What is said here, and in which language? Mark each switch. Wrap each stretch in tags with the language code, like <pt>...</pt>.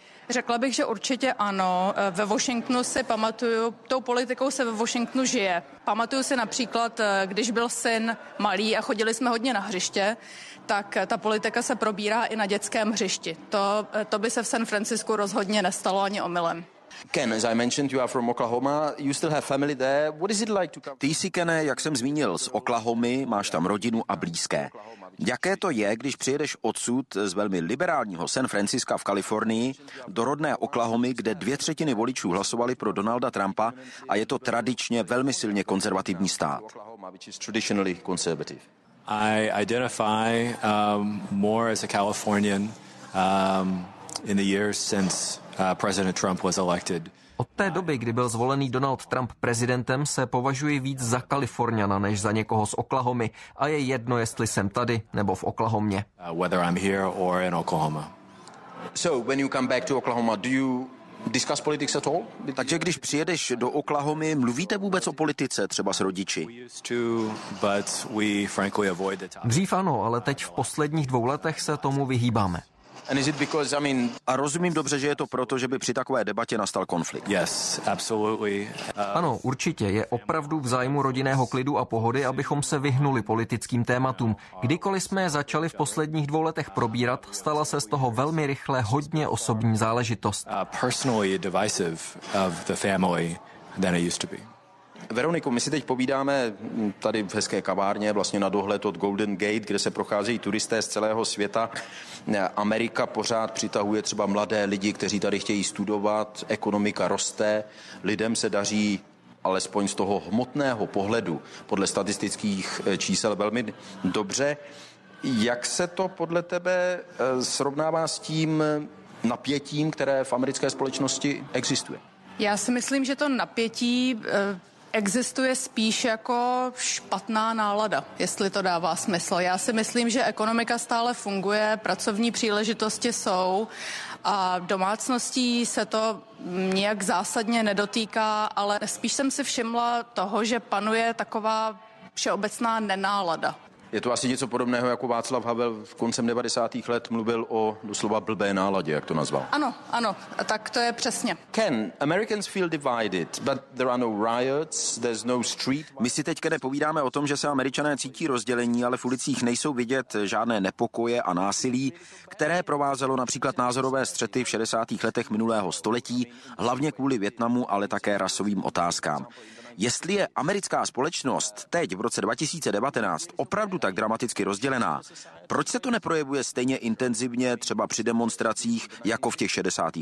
<cs>Řekla bych, že určitě ano. Ve Washingtonu si pamatuju, tou politikou se ve Washingtonu žije. Pamatuju si například, když byl syn malý a chodili jsme hodně na hřiště, tak ta politika se probírá i na dětském hřišti. To by se v San Francisku rozhodně nestalo ani omylem.</cs> <en>Ken, as I mentioned, you are from Oklahoma. You still have family there. What is it like to come?</en> <cs>Ty jsi, Kene, jak jsem zmínil, z Oklahomy, máš tam rodinu a blízké. Jaké to je, když přijedeš odsud z velmi liberálního San Francisca v Kalifornii do rodné Oklahomy, kde 2/3 voličů hlasovali pro Donalda Trumpa a je to tradičně velmi silně konzervativní stát?</cs> <en>I identify more as a Californian in the years since President Trump was elected.</en> <cs>Od té doby, kdy byl zvolený Donald Trump prezidentem, se považuji víc za Kaliforniana než za někoho z Oklahomy. A je jedno, jestli jsem tady nebo v Oklahomě.</cs> <en>Whether I'm here or in Oklahoma. So when you come back to Oklahoma, do you discuss politics at all?</en> <cs>Takže když přijedeš do Oklahomy, mluvíte vůbec o politice, třeba s rodiči? Dřív ano, ale teď v posledních 2 letech se tomu vyhýbáme.</cs> <en>And is it because,</en> <cs>A rozumím dobře, že je to proto, že by při takové debatě nastal konflikt.</cs> <en>Yes, absolutely.</en> <cs>Ano, určitě. Je opravdu v zájmu rodinného klidu a pohody, abychom se vyhnuli politickým tématům. Kdykoliv jsme je začali v posledních 2 letech probírat, stala se z toho velmi rychle hodně osobní záležitost.</cs> <en>Personally divisive of the family than it used to be.</en> <cs>Veroniko, my si teď povídáme tady v hezké kavárně, vlastně na dohled od Golden Gate, kde se procházejí turisté z celého světa. Amerika pořád přitahuje třeba mladé lidi, kteří tady chtějí studovat, ekonomika roste, lidem se daří alespoň z toho hmotného pohledu podle statistických čísel velmi dobře. Jak se to podle tebe srovnává s tím napětím, které v americké společnosti existuje? Já si myslím, že to napětí existuje spíš jako špatná nálada, jestli to dává smysl. Já si myslím, že ekonomika stále funguje, pracovní příležitosti jsou a domácností se to nějak zásadně nedotýká, ale spíš jsem si všimla toho, že panuje taková všeobecná nenálada. Je to asi něco podobného, jako Václav Havel v koncem 90. let mluvil o doslova blbé náladě, jak to nazval. Ano, ano, tak to je přesně.</cs> <en>Ken, Americans feel divided, but there are no riots, there's no street.</en> <cs>My si teďka nepovídáme o tom, že se Američané cítí rozdělení, ale v ulicích nejsou vidět žádné nepokoje a násilí, které provázelo například názorové střety v 60. letech minulého století, hlavně kvůli Vietnamu, ale také rasovým otázkám. Jestli je americká společnost teď v roce 2019 opravdu tak dramaticky rozdělená, proč se to neprojevuje stejně intenzivně třeba při demonstracích jako v těch 60.</cs>